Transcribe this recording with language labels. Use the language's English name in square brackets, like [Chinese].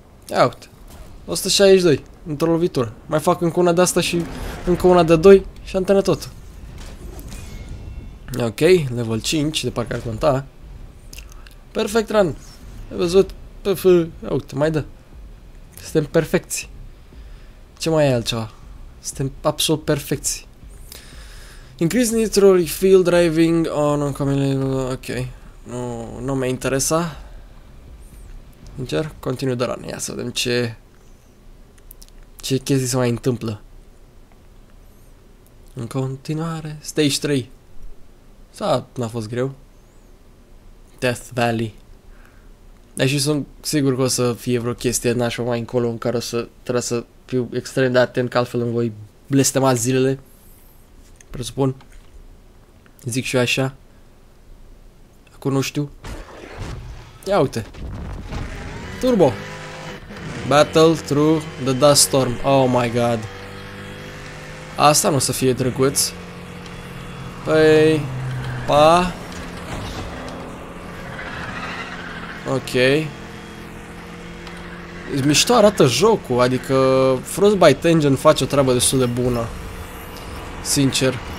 [Romanian] Ia uite, 162, într-o lovitură. Mai fac încă una de asta și încă una de 2 și antenă tot. Ok, level 5, de parcă ar conta. [English] Perfect run. [Romanian] Ai văzut, ia uite, mai dă. Suntem perfecți. Ce mai e altceva? Suntem absolut perfecți. [English] Increase nitro refill driving on oncoming. [Romanian] Ok. Nu mă interesa. Încerc, continuu de run. Ia să vedem ce chestii se mai întâmplă. În continuare, stage 3. Sau n-a fost greu. Death Valley. Deși sunt sigur că o să fie vreo chestie nașa mai încolo în care o să trebuie să fiu extrem de atent, că altfel îmi voi blestema zilele. Presupun. Zic și eu așa. Acum nu știu. Ia uite. Turbo. [English] Battle through the dust storm. Oh my god. [Romanian] Asta nu o să fie drăguț. Păi... Pa. Ok. Mișto arată jocul, adică Frostbite Engine face o treabă destul de bună. Sincer.